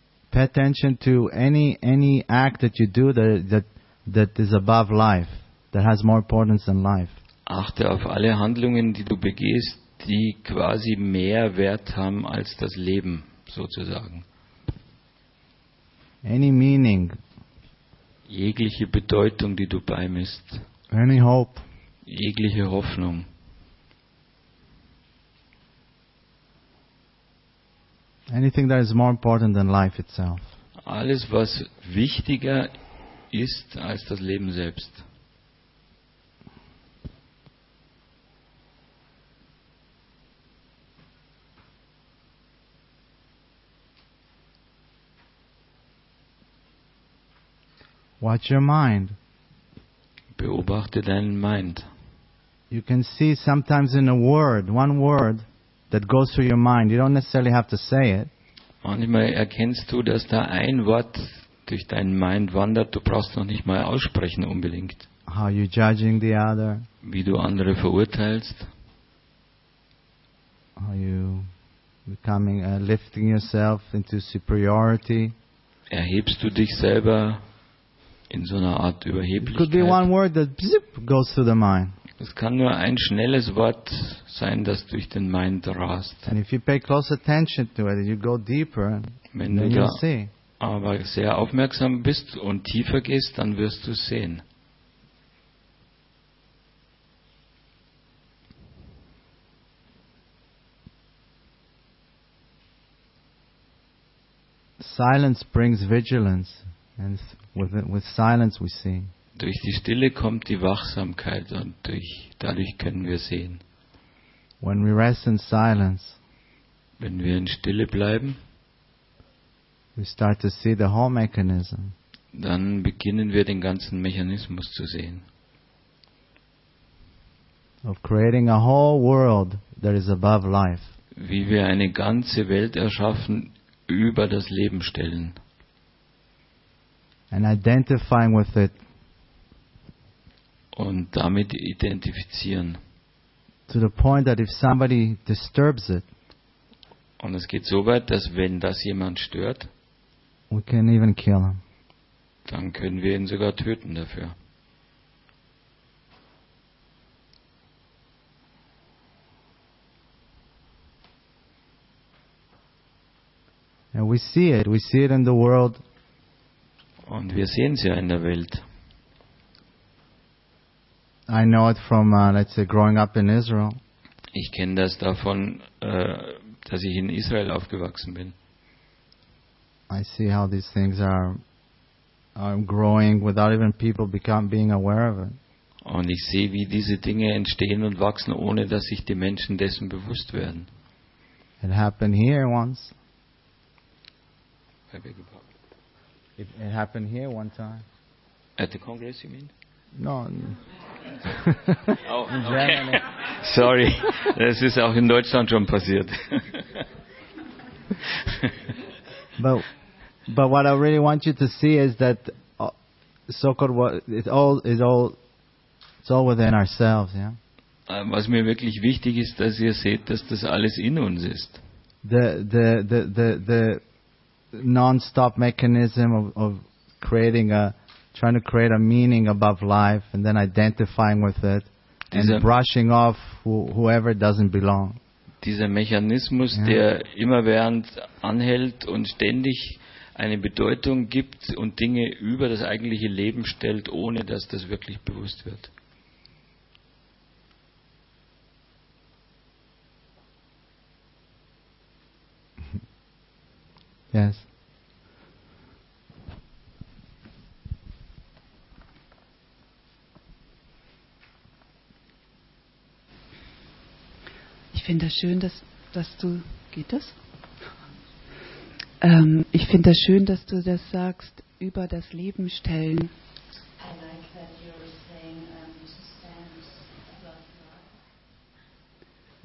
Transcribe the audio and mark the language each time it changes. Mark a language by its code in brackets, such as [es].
[en] Pay attention to any act that you do that is above life, that has more importance than life. [de] Achte auf alle Handlungen, die du begehst, die quasi mehr Wert haben als das Leben, sozusagen. [en] Any meaning. [de] Jegliche Bedeutung, die du beimisst. [en] Any hope. [de] Jegliche Hoffnung. [en] Anything that is more important than life itself. [de] Alles, was wichtiger ist als das Leben selbst. [en] Watch your mind. [de] Beobachte deinen Mind. [en] You can see sometimes in a word, one word that goes through your mind. You don't necessarily have to say it. [de] Manchmal erkennst du, dass da ein Wort durch deinen Mind wandert, du brauchst noch nicht mal aussprechen unbedingt. [en] How you judging the other? [de] Wie du andere verurteilst. [en] How you becoming lifting yourself into superiority? [de] Erhebst du dich selber in so einer Art Überheblichkeit? [en] It could be one word that zip goes through the mind. [de] Es kann nur ein schnelles Wort sein, das durch den Mind rast. [en] And if you pay close attention to it, you go deeper, [de] wenn [en] then you'll see. [de] Aber sehr aufmerksam bist und tiefer gehst, dann wirst du sehen. [en] Silence brings vigilance. And with silence we see. [de] Durch die Stille kommt die Wachsamkeit und dadurch können wir sehen. [en] When we rest in silence, [de] wenn wir in Stille bleiben, [en] we start to see the whole mechanism. [de] Dann beginnen wir den ganzen Mechanismus zu sehen. [en] Of creating a whole world that is above life. [de] Wie wir eine ganze Welt erschaffen, über das Leben stellen. [en] And identifying with it. [de] Und damit identifizieren. [en] To the point that if somebody disturbs it. [de] Und es geht so weit, dass wenn das jemand stört, [en] we can even kill him. [de] Dann können wir ihn sogar töten dafür. [en] And we see it. We see it in the world. [de] Und wir sehen es ja in der Welt. [en] I know it from, let's say, growing up in Israel. [de] Ich kenne das davon, dass ich in Israel aufgewachsen bin. [en] I see how these things are growing without even people become being aware of it. [de] Und ich sehe, wie diese Dinge entstehen und wachsen, ohne dass sich die Menschen dessen bewusst werden. [en] It happened here once. I beg your pardon. It happened here one time. At the Congress, you mean? No. Oh, okay. Sorry. [de] Das ist auch in Deutschland schon passiert. [en] But what I really want you to see is that so-called it's all within ourselves, yeah. [de] Was mir wirklich wichtig ist, dass ihr seht, dass das alles in uns ist. [en] The non-stop mechanism of trying to create a meaning above life and then identifying with it and brushing off whoever doesn't belong. [de] Dieser Mechanismus, yeah, der immerwährend anhält und ständig eine Bedeutung gibt und Dinge über das eigentliche Leben stellt, ohne dass das wirklich bewusst wird. [en] Yes. [de] Ich finde das schön, dass du... Geht das? Ich finde das schön, dass du das sagst, über das Leben stellen. [en] I like that you were saying to stand above life.